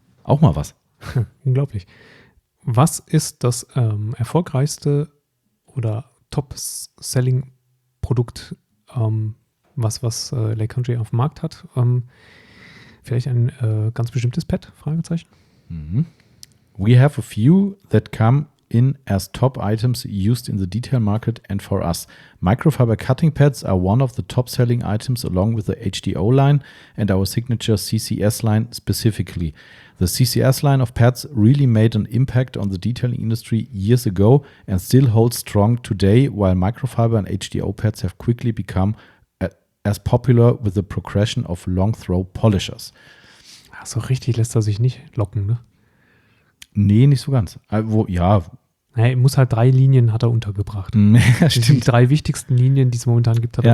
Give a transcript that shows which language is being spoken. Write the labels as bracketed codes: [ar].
[de] Auch mal was. Unglaublich. Was ist das erfolgreichste oder Top-Selling-Produkt, was Lake Country auf dem Markt hat? Vielleicht ein ganz bestimmtes Pad? Fragezeichen. Mm-hmm. [en] We have a few that come in as top items used in the detail market and for us. Microfiber cutting pads are one of the top-selling items along with the HDO line and our signature CCS line specifically. The CCS line of pads really made an impact on the detailing industry years ago and still holds strong today, while microfiber and HDO pads have quickly become as popular with the progression of long throw polishers. [de] So richtig lässt er sich nicht locken, ne? Nee, nicht so ganz. Wo, ja. Er muss halt drei Linien hat er untergebracht. Ja, stimmt. Die drei wichtigsten Linien, die es momentan gibt, hat er